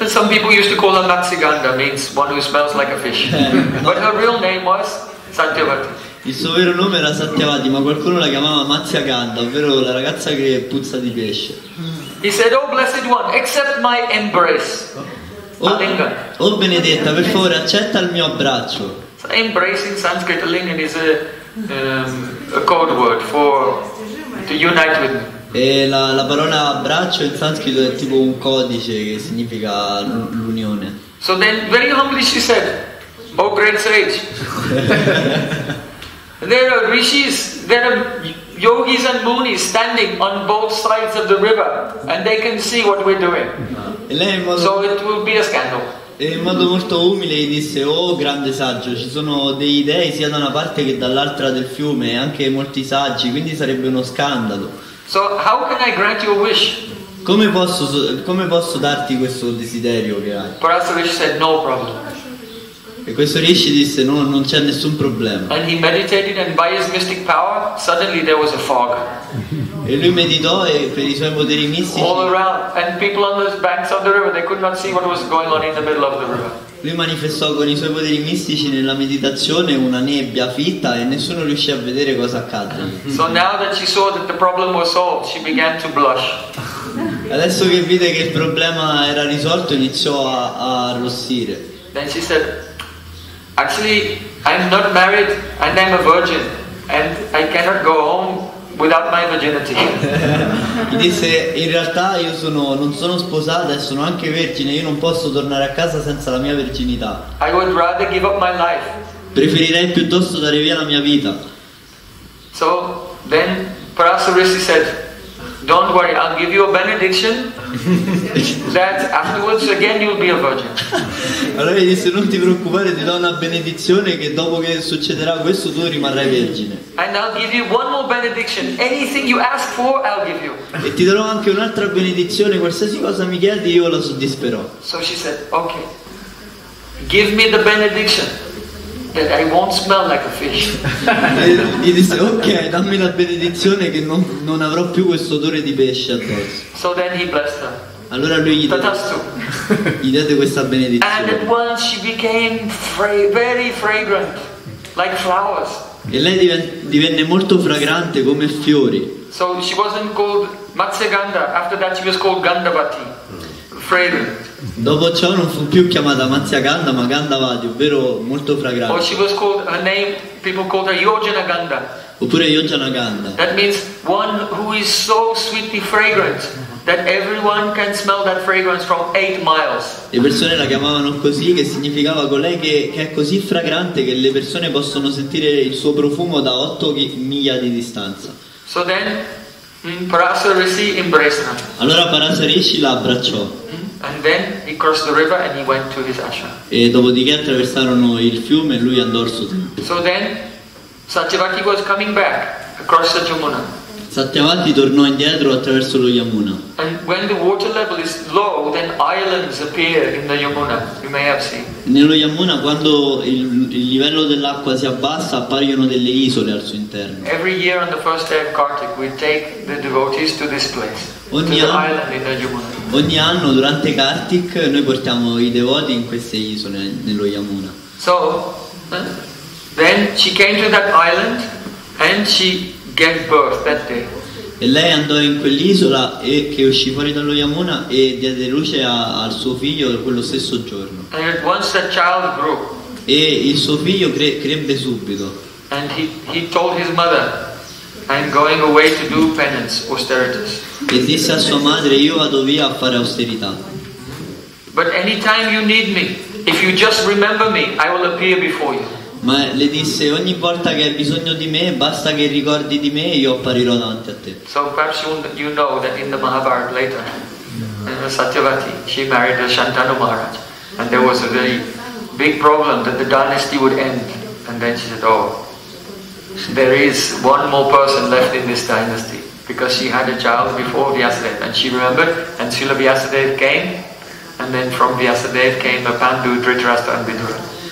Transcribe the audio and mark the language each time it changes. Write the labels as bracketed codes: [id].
[en] And some people used to call her Matsiganda, means one who smells like a fish. But her real name was Satyavati. [it] Il suo vero nome era Satyavati, ma qualcuno la chiamava Matsyaganda, ovvero la ragazza che puzza di pesce. [en] He said, oh blessed one, accept my embrace. [it] Oh benedetta, per favore accetta il mio abbraccio. [en] So embrace in Sanskrit, lingam, is a code word for to unite with. [it] E la parola abbraccio in sanscrito è tipo un codice che significa l'unione. [en] So then very humbly she said, oh great sage. There are rishis, there are yogis and munis standing on both sides of the river and they can see what we're doing. So it will be a scandal. [it] E in modo molto umile gli disse: oh grande saggio, ci sono dei dei sia da una parte che dall'altra del fiume, anche molti saggi, quindi sarebbe uno scandalo. [en] So how can I grant you a wish? [it] Come posso darti questo desiderio che hai? [en] Parasarishi said no problem. [it] E questo Rishi disse: no, non c'è nessun problema. [en] And he meditated, and by his mystic power, suddenly there was a fog. [it] E lui meditò e per i suoi poteri mistici. [en] All around, and people on the banks of the river, they could not see what was going on in the middle of the river. [it] Lui manifestò con i suoi poteri mistici nella meditazione una nebbia fitta e nessuno riuscì a vedere cosa accadde. [en] So now that she saw that the problem was solved, she began to blush. [it] Adesso che vide che il problema era risolto, iniziò a arrossire. [en] Then she said, actually, I'm not married and I'm a virgin and I cannot go home without my virginity. [it] Gli disse: in realtà io non sono sposata e sono anche vergine, io non posso tornare a casa senza la mia verginità. [en] I would rather give up my life. [it] Preferirei piuttosto dare via la mia vita. [en] So then Parasarishi said, don't worry, I'll give you a benediction that afterwards again you'll be a virgin. [it] Allora gli disse: non ti preoccupare, ti do una benedizione che dopo che succederà questo tu rimarrai vergine. [en] And I'll give you one more benediction. Anything you ask for, I'll give you. [it] E ti darò anche un'altra benedizione, qualsiasi cosa mi chiedi io la soddisferò. [en] So she said, okay, give me the benediction that I won't smell like a fish. [it] Gli disse: ok, dammi la benedizione che non avrò più questo odore di pesce addosso. [en] So then he blessed her. [it] Allora lui gli dette questa benedizione. [en] And at once she became very fragrant, like flowers. [it] E lei divenne molto fragrante come fiori. [en] So she wasn't called Matsyaganda. After that she was called Gandavati, fragrant. [it] Dopo ciò non fu più chiamata Matsyaganda ma Gandavati, ovvero molto fragrante. [en] Or she was called, her name, people called her Yojanaganda. [it] Oppure Yojanaganda. [en] That means one who is so sweetly fragrant that everyone can smell that fragrance from 8 miles. [it] Le persone la chiamavano così, che significava colei che è così fragrante che le persone possono sentire il suo profumo da 8 miglia di distanza. [en] So then Parasarishi embraced her. [it] Allora Parasarishi la abbracciò. [en] And then he crossed the river and he went to his ashram. [it] E dopodiché attraversarono il fiume e lui andò al suo tempio. [en] So then Satyavati was coming back across the Yamuna. [it] Satyavati tornò indietro attraverso lo Yamuna. [en] And when the water level is low, then islands appear in the Yamuna. You may have seen. [it] Nello Yamuna, quando il livello dell'acqua si abbassa, appaiono delle isole al suo interno. [en] Every year on the first day of Kartik, we take the devotees to this place. [it] Ogni anno durante Kartik noi portiamo i devoti in queste isole nello Yamuna. [en] So then she came to that island and she gave birth that day. [it] E lei andò in quell'isola e che uscì fuori dallo Yamuna e diede luce al suo figlio quello stesso giorno. [en] And at once the child grew. [it] E il suo figlio crebbe subito. [en] And he told his mother, I'm going away to do penance, austerities. [it] E disse a sua madre: io vado via a fare austerità. [en] But anytime you need me, if you just remember me, I will appear before you. [it] Ma le disse: ogni volta che hai bisogno di me, basta che ricordi di me e io apparirò davanti a te. [en] So perhaps you know that in the Mahabharata later, in the Satyavati, she married the Shantanu Maharaj, and there was a very big problem that the dynasty would end, and then she said, oh, there is one more person left in this dynasty, because she had a child before Vyasadeva, and she remembered, and Srila Vyasadeva came, and then from Vyasadeva came a Pandu, Dhritarashtra, and Vidura.